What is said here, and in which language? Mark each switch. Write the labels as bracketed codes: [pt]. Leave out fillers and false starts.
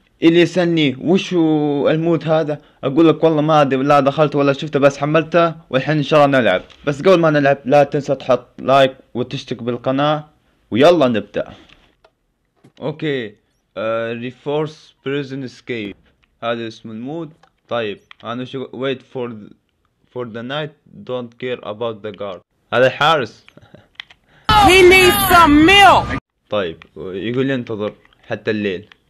[ar] اللي يسألني وشو المود هذا أقول لك والله ما أدري، لا دخلت ولا شفته، بس حملته والحين إن شاء الله نلعب. بس قبل ما نلعب لا تنسى تحط لايك وتشترك بالقناة، ويلا نبدأ. أوكي، ريفورس بريزن اسكيب، هذا اسم المود. طيب انا شو [en] wait for the night don't care about the guard. [ar] هذا الحارس. [en] He needs some milk. [ar] طيب يقول لي انتظر حتى الليل.